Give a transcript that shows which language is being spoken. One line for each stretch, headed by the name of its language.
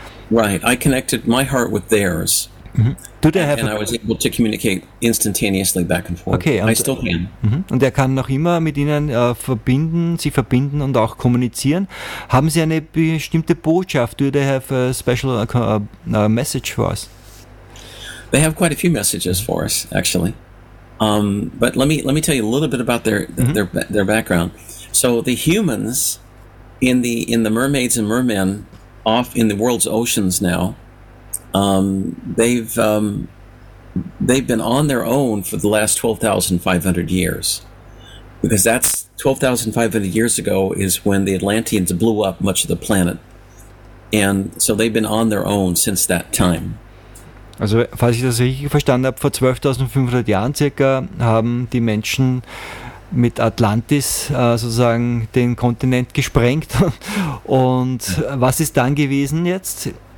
English: Right, I connected my heart with theirs. Mm-hmm. Do they have and I was able to communicate instantaneously back and forth. Okay, I still can. Mm-hmm.
German: Und er kann noch immer mit ihnen sich verbinden und auch kommunizieren. Haben sie eine bestimmte Botschaft?
English: Do they have a special message for us? They have quite a few messages for us, actually. But let me tell you a little bit about their background. So the humans in the mermaids and mermen off in the world's oceans now. They've been on their own for the last 12,500 years, because that's 12,500 years ago is when the Atlanteans blew up much of the planet, and so they've been on their own since that time.
German: Also, falls ich das richtig verstanden habe, vor 12,500 Jahren circa haben die Menschen mit Atlantis sozusagen den Kontinent gesprengt. Und was ist dann gewesen jetzt?